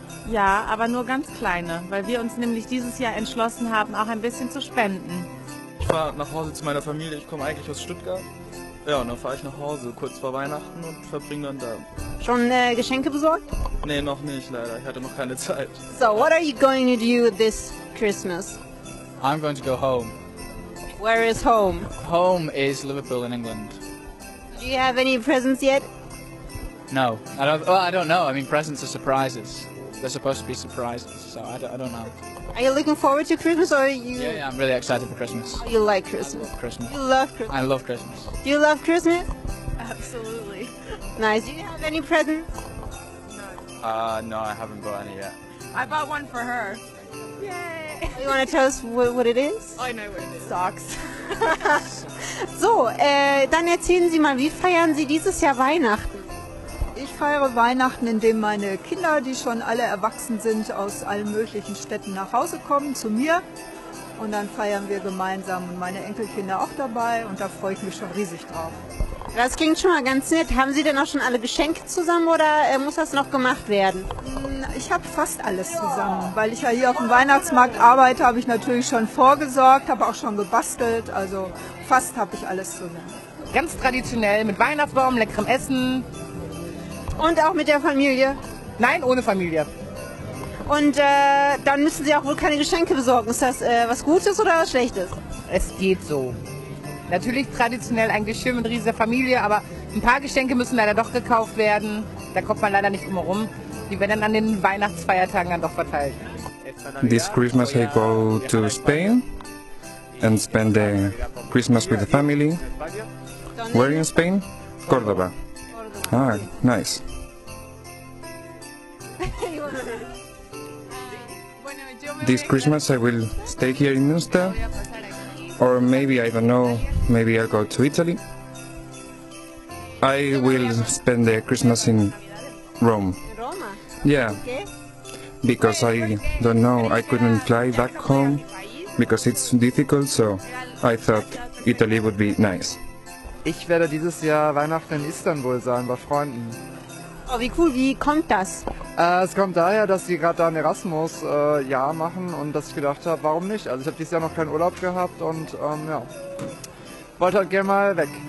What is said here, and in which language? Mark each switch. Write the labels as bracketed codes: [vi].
[de] Ja, aber nur ganz kleine, weil wir uns nämlich dieses Jahr entschlossen haben, auch ein bisschen zu spenden. Ich fahre nach Hause zu meiner Familie, ich komme eigentlich aus Stuttgart. Ja, und dann fahre ich nach Hause, kurz vor Weihnachten und verbringe dann da. Schon Geschenke besorgt? Nee, noch nicht leider, ich hatte noch keine Zeit. [en] So, what are you going to do this Christmas? I'm going to go home. Where is home? Home is Liverpool in England. Do you have any presents yet? No, I don't know, I mean presents are surprises. They're supposed to be surprises, so I don't know. Are you looking forward to Christmas or are you... Yeah, I'm really excited for Christmas. Oh, you like Christmas? I love Christmas. You love Christmas? I love Christmas. Do you love Christmas? Absolutely. Nice. Do you have any presents? No. No, I haven't bought any yet. I bought one for her. Yay! You want to tell us what it is? I know what it is. Socks. [de] So, dann erzählen Sie mal, wie feiern Sie dieses Jahr Weihnachten? Ich feiere Weihnachten, indem meine Kinder, die schon alle erwachsen sind, aus allen möglichen Städten nach Hause kommen, zu mir. Und dann feiern wir gemeinsam und meine Enkelkinder auch dabei und da freue ich mich schon riesig drauf. Das klingt schon mal ganz nett. Haben Sie denn auch schon alle Geschenke zusammen oder muss das noch gemacht werden? Ich habe fast alles zusammen. Weil ich ja hier auf dem Weihnachtsmarkt arbeite, habe ich natürlich schon vorgesorgt, habe auch schon gebastelt. Also fast habe ich alles zusammen. Ganz traditionell mit Weihnachtsbaum, leckerem Essen. Und auch mit der Familie? Nein, ohne Familie. Und dann müssen Sie auch wohl keine Geschenke besorgen. Ist das was Gutes oder was Schlechtes? Es geht so. Natürlich traditionell eigentlich schön mit riesiger Familie, aber ein paar Geschenke müssen leider doch gekauft werden. Da kommt man leider nicht drum herum. Die werden dann an den Weihnachtsfeiertagen dann doch verteilt. [en] This Christmas I go to Spain and spend the Christmas with the family. Where in Spain? Córdoba. Ah, nice. This Christmas I will stay here in Münster. Or maybe, I don't know, maybe I'll go to Italy. I will spend the Christmas in Rome. Yeah, because I don't know, I couldn't fly back home because it's difficult, so I thought Italy would be nice. [de] Ich werde dieses Jahr Weihnachten in Istanbul sein, bei Freunden. Oh, wie cool, wie kommt das? Es kommt daher, dass sie gerade da ein Erasmus-Jahr machen und dass ich gedacht habe, warum nicht? Also ich habe dieses Jahr noch keinen Urlaub gehabt und ja, wollte halt gerne mal weg.